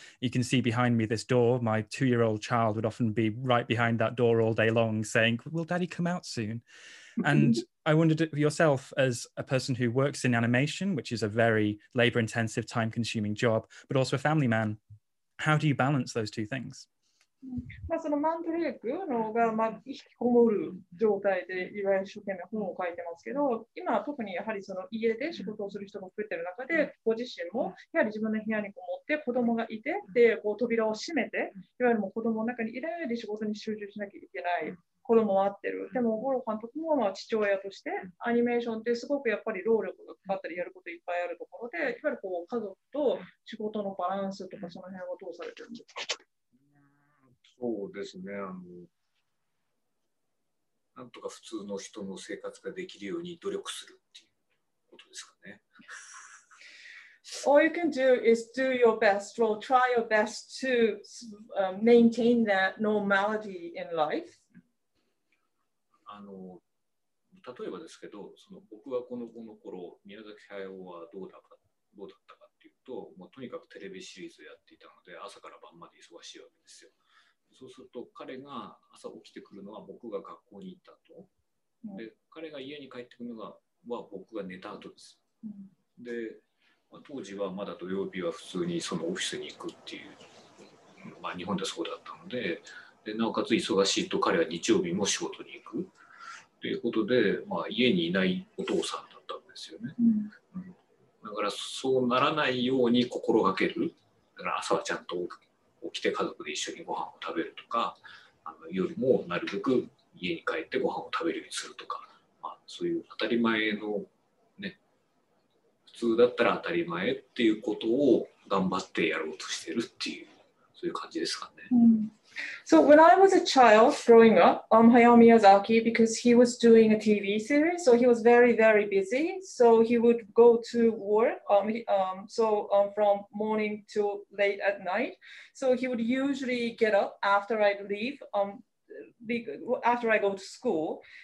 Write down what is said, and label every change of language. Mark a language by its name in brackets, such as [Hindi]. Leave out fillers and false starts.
[English] You can see behind me this door, my two-year-old child would often be right behind that door all day long saying, will daddy come out soon? And I wondered yourself, as a person who works in animation, which is a very labor-intensive, time-consuming job, but also a family man, how do you balance those two things? [Japanese] まあそのマンドレークの方がまあ引きこもる状態でいわゆる一生懸命本を書いてますけど、今特にやはりその家で仕事をする人が増えてる中で、ご自身もやはり自分の部屋にこもって子供がいて、でこう扉を閉めて、いわゆるもう子供の中にいられる仕事に集中しなきゃいけない。子供は合ってる。でも、五郎監督もまあ父親として、アニメーションってすごくやっぱり労力がかかったり、やることいっぱいあるところで、いわゆるこう家族と仕事のバランスとか、その辺はどうされてるんですか？そうですね。なんとか普通の人の生活ができるように努力するっていうことですかね。 [English] All you can do is do your best, or try your best to maintain that normality in life. [Japanese] 例えばですけど、その僕はこの頃宮崎駿はどうだったかっていうと、もうとにかくテレビシリーズをやっていたので朝から晩まで忙しいわけですよ。そうすると彼が朝起きてくるのは僕が学校に行った後、で彼が家に帰ってくるのは僕が寝た後です。で、まあ、当時はまだ土曜日は普通にそのオフィスに行くっていう、まあ日本でそうだったので。でなおかつ忙しいと彼は日曜日も仕事に行くということで、まあ、家にいないお父さんだったんですよね、だからそうならないように心がける。だから朝はちゃんと起きて家族で一緒にご飯を食べるとか、夜もなるべく家に帰ってご飯を食べるようにするとか、まあ、そういう当たり前の、ね、普通だったら当たり前っていうことを頑張ってやろうとしてるっていう、そういう感じですかね、 [English] So when I was a child growing up, Hayao Miyazaki, because he was doing a TV series, so he was very, very busy. So he would go to work from morning to late at night. So he would usually get up after I'd leave, after I go to school.